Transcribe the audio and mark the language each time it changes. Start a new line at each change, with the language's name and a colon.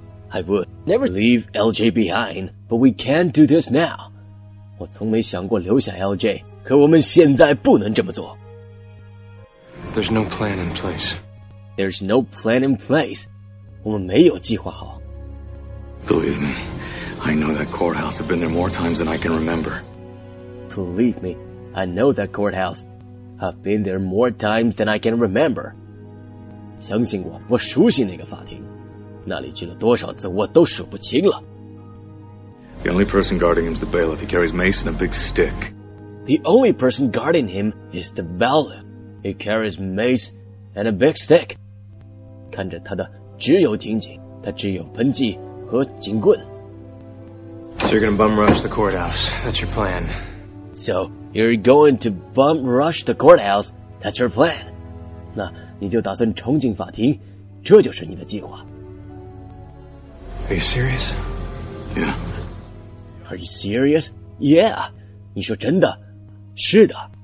English: I would never leave LJ behind, but we can't do this now.
Chinese: 我从没想过留下 LJ, 可我们现在不能这么做。
English: There's no plan in place. There's no plan in place.
Chinese: 我们没有计划好。
English: Believe me, I know that courthouse. I've been there more times than I can remember. Believe me, I know that courthouse. I've been there more times than I can remember.
Chinese: 相信我，我熟悉那个法庭。那里去了多少次我都数不清了。
English: The only person guarding him is the bailiff. He carries mace and a big stick. The only person guarding him is the bailiff. He carries mace and a big stick.
Chinese: 看着他的只有刑警，他只有喷剂和警棍。
English: So you're going to bum rush the courthouse. That's your plan. So you're going to bum rush the courthouse. That's your plan.
Chinese: 那你就打算冲进法庭，这就是你的计划。
English: Are you serious? Yeah. Are you serious? Yeah.
Chinese: 你说真的？是的。